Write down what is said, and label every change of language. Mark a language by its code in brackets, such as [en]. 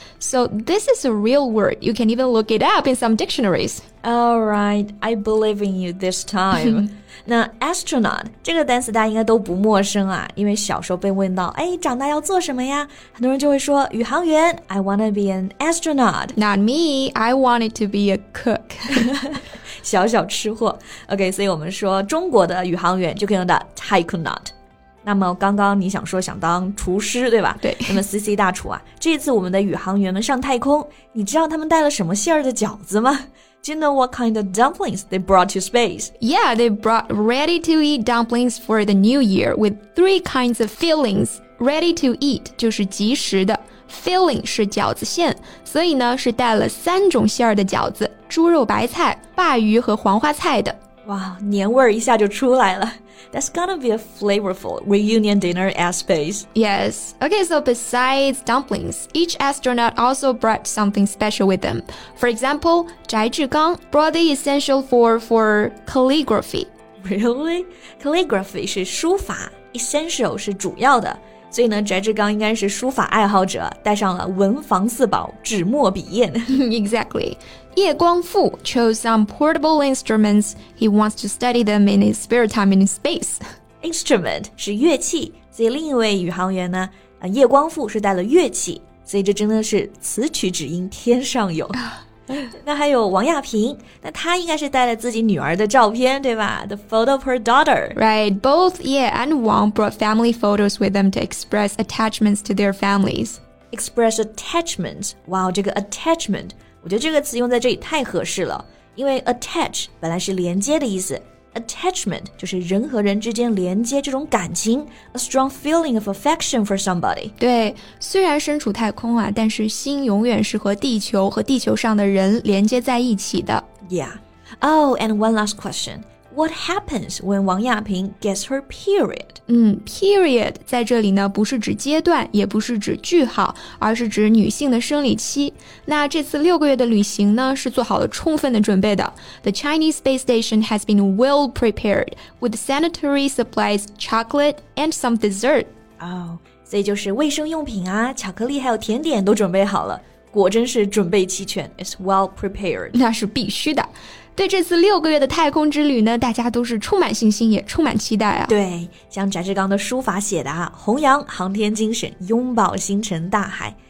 [en] So this is a real word. You can even look it up in some dictionaries. Alright, I believe in you this time. [zh] 那 astronaut 这个单词大家应该都不陌生啊，因为小时候被问到哎，长大要做什么呀，很多人就会说宇航员。 [en] I wanna be an astronaut. Not me, I wanted to be a cook. [zh] 小小吃货 OK, 所以我们说中国的宇航员就可以用到 Tycoonaut. 那么刚刚你想说想当厨师对吧？对。那么 CC 大厨啊，这次我们的宇航员们上太空，你知道他们带了什么馅儿的饺子吗？ [en] Do you know what kind of dumplings they brought to space? Yeah, they brought ready to eat dumplings for the new year with three kinds of fillings. Ready to eat [zh] 就是即食的， filling 是饺子馅，所以呢是带了三种馅儿的饺子，猪肉白菜、鲅鱼和黄花菜的。哇、wow, 年味儿一下就出来了。 [en] That's gonna be a flavorful reunion dinner at space. Yes. Okay, so besides dumplings, each astronaut also brought something special with them. For example, 翟志刚 brought the essential for calligraphy. Really? [zh] Calligraphy 是书法， essential 是主要的。所以呢翟志刚应该是书法爱好者，带上了文房四宝纸墨笔砚。 [en] Exactly. 叶光富 chose some portable instruments. He wants to study them in his spare time in space. [zh] Instrument 是乐器，所以另一位宇航员呢叶光富是带了乐器，所以这真的是此曲只应天上有。那还有王亚平，那她应该是带了自己女儿的照片对吧， [en] The photo of her daughter. Right, both Ye and Wang brought family photos with them to express attachments to their families. Express attachment. [zh] Wow, 这个 attachment 我觉得这个词用在这里太合适了，因为 attach 本来是连接的意思， attachment 就是人和人之间连接这种感情， [en] A strong feeling of affection for somebody. [zh] 对，虽然身处太空啊，但是心永远是和地球和地球上的人连接在一起的。 [en] Yeah. Oh, and one last question. What happens when 王亚平 gets her period? [zh] Period 在这里呢不是指阶段，也不是指句号，而是指女性的生理期。那这次六个月的旅行呢是做好了充分的准备的。 [en] The Chinese space station has been well prepared with sanitary supplies, chocolate and some dessert. [zh] Oh, 所以就是卫生用品啊，巧克力还有甜点都准备好了，果真是准备齐全。 [en] It's well prepared. [zh] 那是必须的。对这次六个月的太空之旅呢，大家都是充满信心也充满期待啊。对，像翟志刚的书法写的啊，弘扬航天精神，拥抱星辰大海。